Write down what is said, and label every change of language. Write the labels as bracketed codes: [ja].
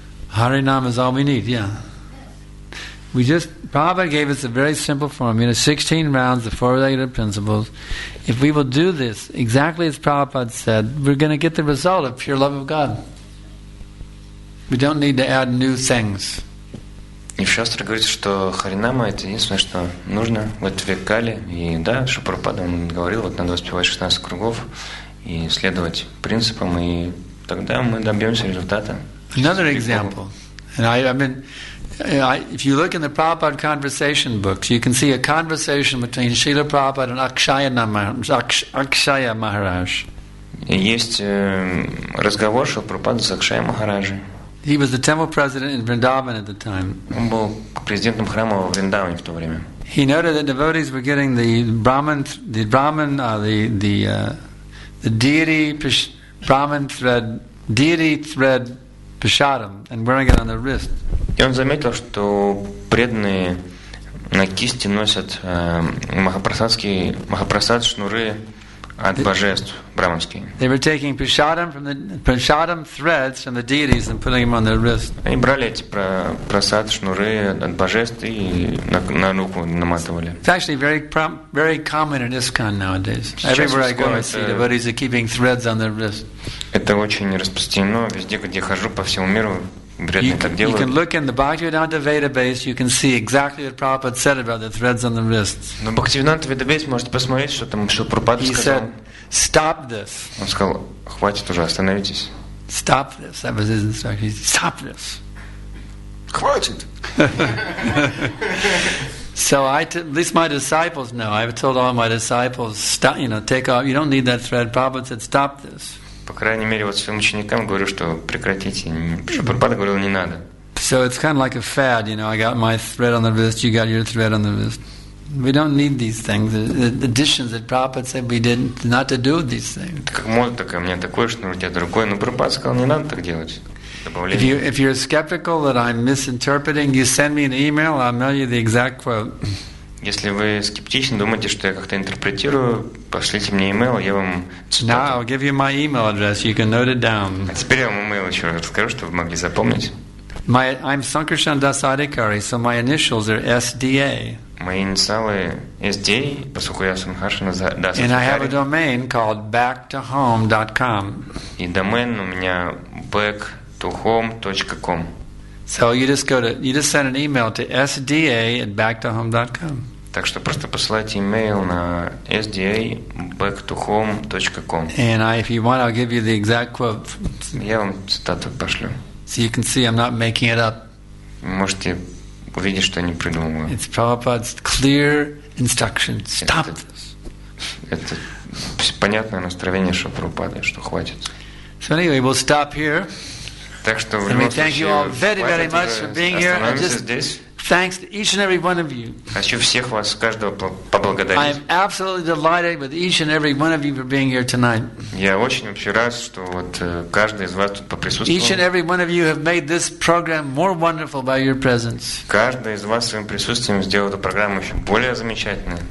[en] Harinam is all we need, yeah. We just, Prabhupada gave us a very simple form, you know, 16 rounds, the four regulative principles. If we will do this exactly as Prabhupada said, we're going to get the result of pure love of God. We don't need to add new things. [ru] И в Шастре говорится, что Харинама это единственное, что нужно в Твикале. И да, что Прабхупада он говорил, вот надо воспевать 16 кругов и следовать принципам, и тогда мы добьемся результата. [en] Another example, and if you look in the Prabhupada conversation books, you can see a conversation between Srila Prabhupada and Akshaya Maharaj. [ru] Есть разговор Шрилы Прабхупады с Акшая Махараджем. [en] He was the temple president in Vrindavan at the time. [ru] Он был президентом храма в Вриндаване в то время. [en] He noted that devotees were getting the deity thread. Prasadam and wearing it on their wrist. [ru] И он заметил, что преданные на кисти носят махапрасад шнуры от божеств браманские. [en] They were taking prasadam threads from the deities and putting them on their wrist. [ru] Они брали эти прасад шнуры от божеств и на руку наматывали. [en] It's actually very common in ISKCON nowadays. Everywhere I go, I see devotees are keeping threads on their wrist. [ru] Это очень распространено везде, где хожу по всему миру. [en] You can look in the Bhaktivedanta Vedabase, you can see exactly what Prabhupada said about the threads on the wrists. [ru] Но Бхактивиданта Ведабейсе можете посмотреть, что там что Прабхупада сказал. [en] He said, "Stop this." [ru] Он сказал, хватит уже, остановитесь. [en] Stop this. That was his instruction. Stop this. [ru] Хватит. [en] So at least my disciples know. I've told all my disciples, stop, you know, take off. You don't need that thread. Prabhupada said, "Stop this." [ru] По крайней мере, вот своим ученикам говорю, что прекратите. Шрила Прабхупада говорил, не надо. [en] So it's kind of like a fad, you know, I got my thread on the wrist, you got your thread on the wrist. We don't need these things. The additions that Prabhupada said we didn't, not to do these things. [ru] Как мода такая, у меня такое, что у тебя другое. Но Прабхупада сказал, не надо так делать. [en] If you're skeptical that I'm misinterpreting, you send me an email, I'll mail you the exact quote. [ru] Если вы скептичны, думаете, что я как-то интерпретирую, пошлите мне email, я вам цитату. [en] Now I'll give you my email address, you can note it down. [ru] А теперь я вам email еще раз расскажу, чтобы вы могли запомнить. [en] I'm Sankarshan Das Adhikari, so my initials are SDA. [ru] мои инициалы SDA, поскольку я Сумхашина, да, [en] and I have a domain called backtohome.com. [ru] И домен у меня backtohome.com. [en] So you just send an email to sda@backtohome.com. [ru] Так что просто посылайте email на sda@backtohome.com. [en] And if you want, I'll give you the exact quote. [ru] Я вам цитату пошлю. [en] So you can see I'm not making it up. [ru] Можете увидеть, что я не придумываю. [en] It's Prabhupada's clear instructions. Stop. [ru] Это понятное наставление Прабхупады, что хватит. [en] So anyway, we'll stop here. [ru] Так что [en] we thank you all very, very much for being here. And just thanks to each and every one of you. [ru] Хочу всех вас, каждого, поблагодарить. [en] I am absolutely delighted with each and every one of you for being here tonight. [ru] Я очень вообще рад, что вот каждый из вас тут поприсутствовал. [en] Each and every one of you have made this program more wonderful by your presence. [ru] Каждый из вас своим присутствием сделал эту программу еще более замечательной.